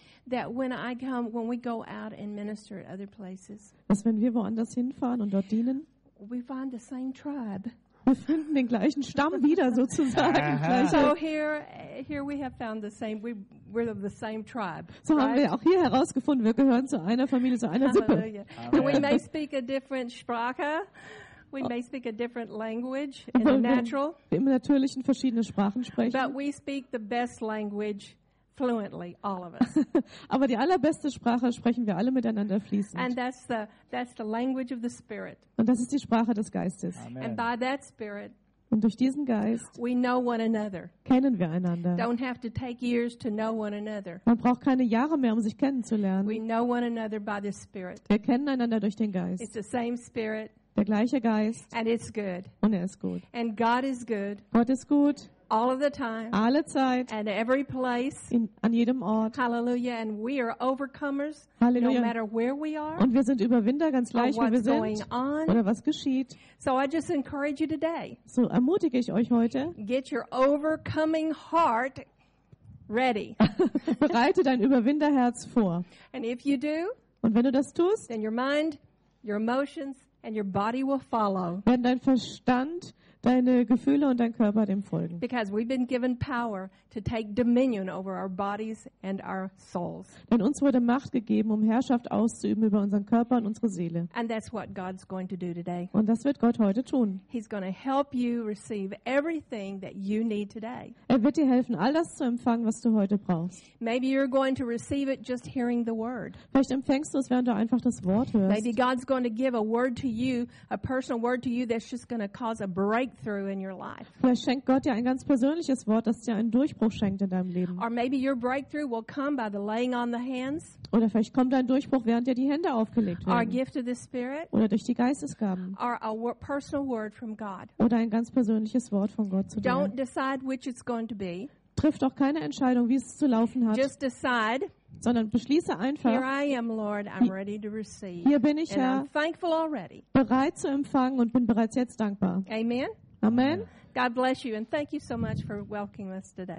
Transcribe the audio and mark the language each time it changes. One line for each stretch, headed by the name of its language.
English: That when I come, when we go out and minister at other places.
German: Dass wenn wir woanders hinfahren und dort dienen.
English: We find the same tribe.
German: Wir finden den gleichen Stamm wieder, sozusagen.
English: So here we have found the same. We're of the same tribe.
German: So haben wir auch hier herausgefunden, wir gehören zu einer Familie, zu einer Sippe.
English: We may speak a different Sprache. We may speak a different language in the natural.
German: Im natürlichen verschiedene Sprachen sprechen.
English: But we speak the best language. Fluently, all of us.
German: Aber die allerbeste Sprache sprechen wir alle miteinander fließend.
English: And that's the language of the Spirit.
German: Und das ist die Sprache des Geistes.
English: Amen. And by that Spirit,
German: und durch diesen Geist,
English: we know one another.
German: Kennen wir einander.
English: Don't have to take years to know one another.
German: Man braucht keine Jahre mehr, um sich kennenzulernen.
English: We know one another by the Spirit.
German: Wir kennen einander durch den Geist.
English: It's the same Spirit.
German: Der gleiche Geist.
English: And it's good.
German: Und er ist gut.
English: And God is good.
German: Gott ist gut.
English: All of the time,
German: alle Zeit,
English: and every place,
German: an jedem Ort.
English: Hallelujah, and we are overcomers.
German: Halleluja.
English: No matter where we are,
German: und wir sind Überwinder, ganz gleich wo wir sind
English: on,
German: oder was geschieht.
English: So I just encourage you today.
German: So ermutige ich euch heute.
English: Get your overcoming heart ready.
German: Bereite dein Überwinderherz vor.
English: And if you do,
German: und wenn du das tust,
English: then your mind your emotions and your body will follow.
German: Wenn dein Verstand, deine Gefühle und dein Körper dem folgen.
English: Because we've been given power to take dominion over our bodies and our souls.
German: Denn uns wurde Macht gegeben, um Herrschaft auszuüben über unseren Körper und unsere Seele.
English: And that's what God's going to do today.
German: Und das wird Gott heute tun.
English: He's going to help you receive everything that you need today.
German: Er wird dir helfen, all das zu empfangen, was du heute brauchst.
English: Maybe you're going to receive it just hearing the word.
German: Vielleicht empfängst du es, während du einfach das Wort hörst.
English: Maybe God's going to give a word to you, a personal word to you that's just going to cause a breakthrough in your life.
German: Vielleicht schenkt Gott dir ein ganz persönliches Wort, das dir einen Durchbruch schenkt in deinem Leben.
English: Or maybe your breakthrough will come by the laying on the hands.
German: Oder vielleicht kommt dein Durchbruch, während dir die Hände aufgelegt werden.
English: Or a gift of the Spirit.
German: Oder durch die Geistesgaben.
English: Or a personal word from God.
German: Oder ein ganz persönliches Wort von Gott zu dir.
English: Don't decide which it's going to be.
German: Triff doch keine Entscheidung, wie es zu laufen hat.
English: Just decide.
German: Sondern beschließe einfach,
English: here I am, Lord, I'm ready to receive.
German: Hier bin ich, Herr,
English: and I'm thankful already.
German: Bereit zu empfangen und bin bereits jetzt dankbar.
English: Amen.
German: Amen.
English: God bless you and thank you so much for welcoming us today.